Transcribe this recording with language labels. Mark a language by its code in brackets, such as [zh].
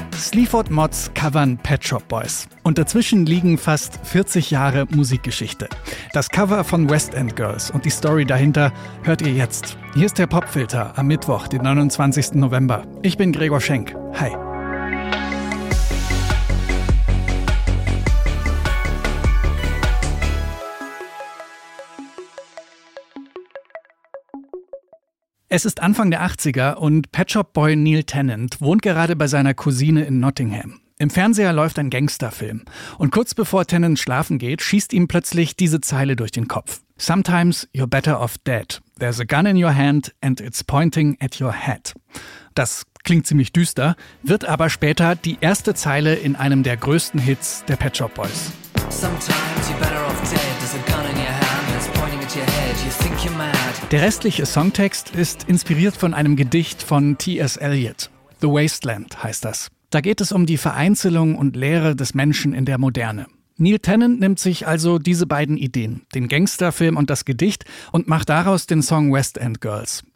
[de] Sleaford Mods covern Pet Shop Boys. Und dazwischen liegen fast 40 Jahre Musikgeschichte. Das Cover von West End Girls und die Story dahinter hört ihr jetzt. Hier ist der Popfilter am Mittwoch, den 29. November. Ich bin Gregor Schenk. Hi. Es ist Anfang der 80er und Pet Shop Boy Neil Tennant wohnt gerade bei seiner Cousine in Nottingham. Im Fernseher läuft ein Gangsterfilm. Und kurz bevor Tennant schlafen geht, schießt ihm plötzlich diese Zeile durch den Kopf. [en] Sometimes you're better off dead. There's a gun in your hand and it's pointing at your head. [de] Das klingt ziemlich düster, wird aber später die erste Zeile in einem der größten Hits der Pet Shop Boys. [en] Sometimes you're better off dead. There's a gun in your hand and it's pointing at your head. You think you're mad. [de] Der restliche Songtext ist inspiriert von einem Gedicht von T.S. Eliot. The Wasteland heißt das. Da geht es um die Vereinzelung und Leere des Menschen in der Moderne. Neil Tennant nimmt sich also diese beiden Ideen, den Gangsterfilm und das Gedicht, und macht daraus den Song West End Girls.